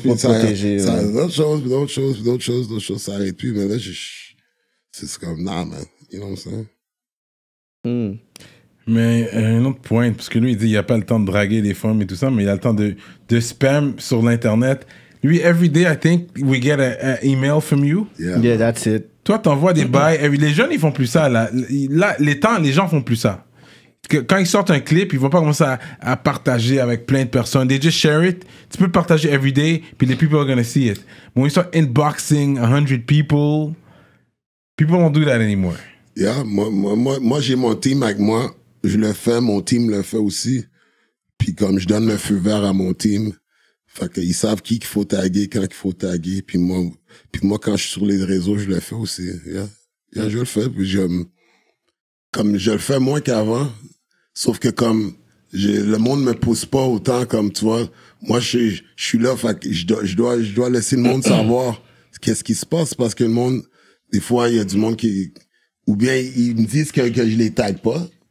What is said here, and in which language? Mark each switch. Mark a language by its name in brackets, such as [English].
[French] Pour ça, protéger. D'autres choses, ça arrête plus. Mais là, c'est comme, nah, man. [English] You know what I'm saying? [French] Mais un autre point, parce que lui, il dit, il n'y a pas le temps de draguer les femmes et tout ça, mais il a le temps de spam sur l'Internet. Lui, [English] every day, I think, we get an email from you. Yeah, that's it. [French] Toi, t'envoies des bails. Les jeunes, ils font plus ça. Là, les gens font plus ça. Que quand ils sortent un clip, ils vont pas commencer à partager avec plein de personnes. [English] They just share it. [French] Tu peux partager [English] every day, [French] puis les [English] people are gonna see it. When you start inboxing 100 people, people don't do that anymore. [French] Yeah, moi j'ai mon team avec moi. Je le fais, mon team le fait aussi. Puis comme je donne le feu vert à mon team, fait qu'ils savent qui qu'il faut taguer, quand qu'il faut taguer. Puis moi quand je suis sur les réseaux, je le fais aussi. Yeah, je le fais, puis j'aime. Comme je le fais moins qu'avant, sauf que comme le monde me pousse pas autant, comme tu vois, moi je suis là, fait que je dois laisser le monde savoir qu'est-ce qui se passe, parce que le monde, des fois il y a du monde qui, ou bien ils me disent que je les tag pas.